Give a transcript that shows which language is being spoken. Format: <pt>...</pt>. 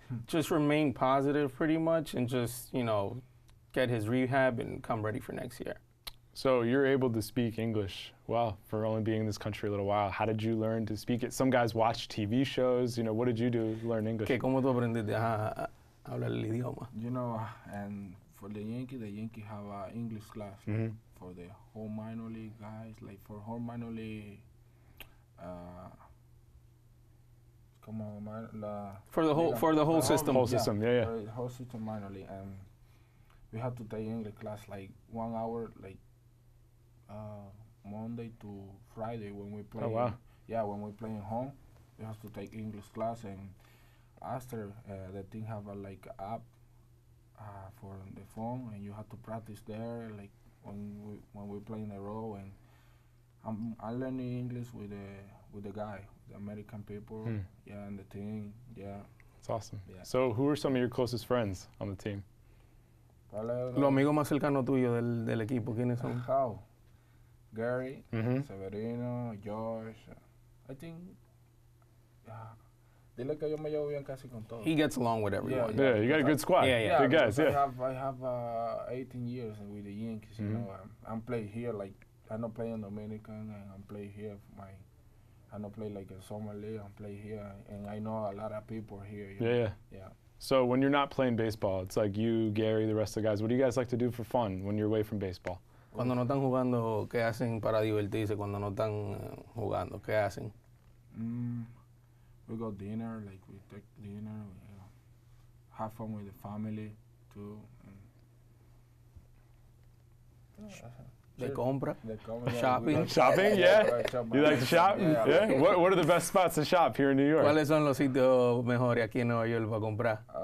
<en>Just remain positive pretty much and just, you know, get his rehab and come ready for next year. So you're able to speak English well for only being in this country a little while. How did you learn to speak it? Some guys watch TV shows, you know, what did you do to learn English?</en> <es>¿Qué, cómo tú aprendiste a hablar el idioma?</es> <en>You know, and for the Yankees have an English class, mm-hmm. for the whole minor league guys, like for whole minor league, come on, for the whole system, minor league, and we have to take English class like 1 hour, like Monday to Friday when we play. Oh, wow. Yeah, when we play at home, we have to take English class, and after the team have a like app. For the phone, and you have to practice there, like when we play in a row. And I'm learning English with the guy, the American people, yeah, and the team, yeah. That's awesome. Yeah. So, who are some of your closest friends on the team?</en> <es>Los amigos más cercanos tuyos del equipo, ¿quiénes son?</es> <en>How? Gary, mm-hmm. Severino, Josh. I think.</en> <es>Dile que yo me llevo bien casi con todos.</es> <en>He gets along with everyone. Yeah, you got a good squad. Yeah. Good guys, yeah. I have 18 years with the Yankees, mm-hmm. you know. I'm playing here, like, I don't play in Dominican, and I'm playing here for my, I don't play like in summer league, I'm playing here, and I know a lot of people here. Yeah, yeah. Yeah. So when you're not playing baseball, it's like you, Gary, the rest of the guys, what do you guys like to do for fun when you're away from baseball?</en> <es>Cuando no están jugando, ¿qué hacen para divertirse? Cuando no están jugando, ¿qué hacen?</es> <en>We go dinner, like we take dinner, we, you know, have fun with the family too. And They come shopping. Shopping, yeah. You like to shop? Yeah. What are the best spots to shop here in New York?</en> <es>¿Cuáles son los sitios mejores aquí en Nueva York para comprar?</es>